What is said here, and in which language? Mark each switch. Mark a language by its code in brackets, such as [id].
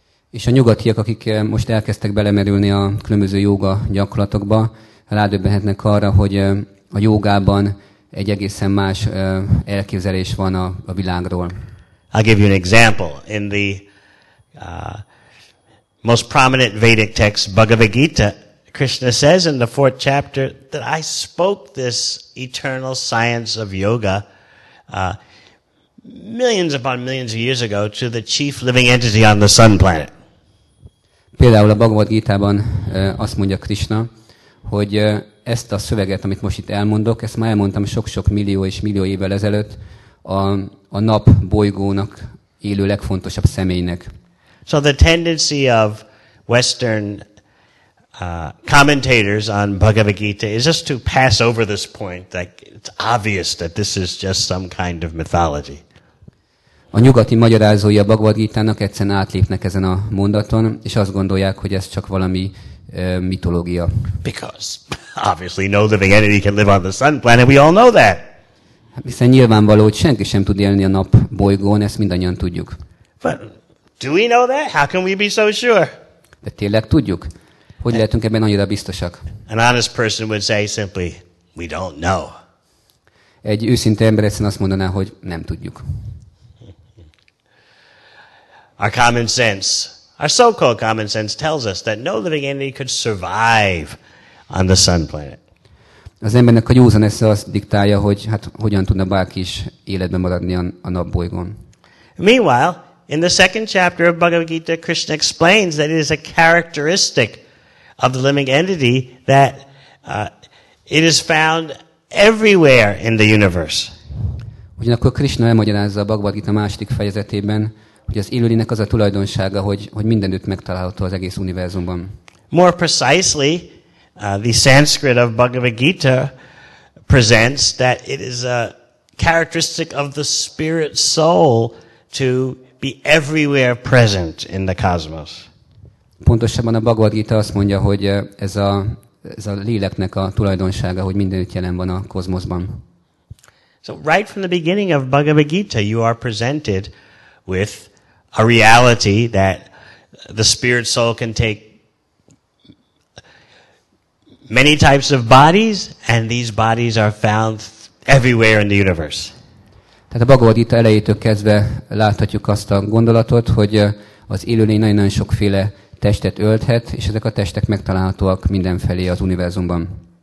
[hu] És a nyugatiak, akik most elkezdtek belemerülni a különböző jóga gyakorlatokba, rádöbbenhetnek arra, hogy a jógában egy egészen más elképzelés van a világról. [en] I'll give you an example. In the most prominent Vedic text, Bhagavad Gita, Krishna says in the fourth chapter that I spoke this eternal science of yoga millions upon millions of years ago to the chief living entity on the sun planet. [hu] Például a Bhagavad Gita-ban azt mondja Krishna, hogy ezt a szöveget, amit most itt elmondok, ezt már elmondtam sok-sok millió és millió évvel ezelőtt a nap bolygónak élő legfontosabb személynek. [en] So the tendency of Western commentators on Bhagavad Gita is just to pass over this point, like it's obvious that this is just some kind of mythology. [hu] A nyugati magyarázói a Bhagavad Gita-nak egyszerűen átlépnek ezen a mondaton, és azt gondolják, hogy ez csak valami mitológia. [en] Because obviously no living entity can live on the sun planet, we all know that. [hu] Hiszen nyilvánvaló, hogy senki sem tud élni a nap bolygón, ezt mindannyian tudjuk. [en] But do we know that? How can we be so sure? [hu] De tényleg tudjuk? Hogy lehetünk ebben annyira biztosak? [en] An honest person would say simply, we don't know. [hu] Egy őszinte ember egyszerűen azt mondaná, hogy nem tudjuk. [en] Our common sense, our so-called common sense tells us that no living entity could survive on the sun planet. [hu] Az embernek a józan esze azt diktálja, hogy hát hogyan tudna bárki is életben maradni a nap bolygón. [en] Meanwhile, in the second chapter of Bhagavad Gita, Krishna explains that it is a characteristic of the living entity that it is found everywhere in the universe. [hu] Ugyanakkor Krishna elmagyarázza a Bhagavad Gita második fejezetében, hogy az élőlénynek az a tulajdonsága, hogy mindenütt megtalálható az egész univerzumban. [en] More precisely, the Sanskrit of Bhagavad Gita presents that it is a characteristic of the spirit soul to be everywhere present in the cosmos. [hu] Pontosabban a Bhagavad Gita azt mondja, hogy ez a léleknek a tulajdonsága, hogy mindenütt jelen van a kozmoszban. [en] So right from the beginning of Bhagavad Gita, you are presented with a reality that the spirit soul can take many types of bodies, and these bodies are found everywhere in the universe. [hu] Tehát a Bhagavad Gita elejétől kezdve láthatjuk azt a gondolatot, hogy az élőlény nagyon-nagyon sokféle testet ölthet, és ezek a testek megtalálhatóak mindenfelé az univerzumban.